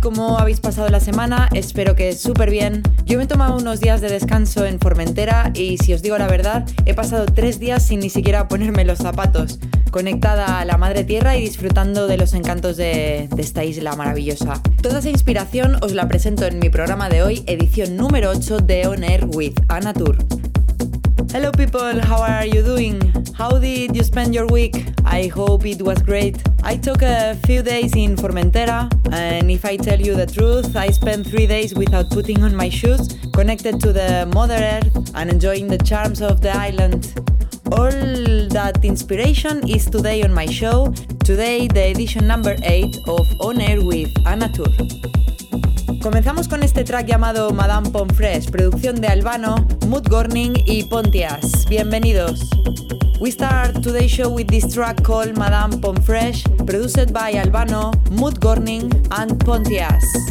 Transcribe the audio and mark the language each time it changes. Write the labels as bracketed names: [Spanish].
[Spanish] ¿Cómo habéis pasado la semana? Espero que súper bien. Yo me he tomado unos días de descanso en Formentera y, si os digo la verdad, he pasado 3 días sin ni siquiera ponerme los zapatos, conectada a la madre tierra y disfrutando de los encantos de esta isla maravillosa. Toda esa inspiración os la presento en mi programa de hoy, edición número 8 de On Air with Anatur. [English] Hello people, how are you doing? How did you spend your week? I hope it was great. I took a few days in Formentera, and if I tell you the truth, I spent 3 days without putting on my shoes, connected to the Mother Earth and enjoying the charms of the island. All that inspiration is today on my show, today the edition number 8 of On Air with Anatur. [Spanish] Comenzamos con este track llamado Madame Pomfresh, producción de Albano, Mood Gorning y Pontias. ¡Bienvenidos! [English] We start today's show with this track called Madame Pomfresh, produced by Albano, Mood Gorning and Pontias.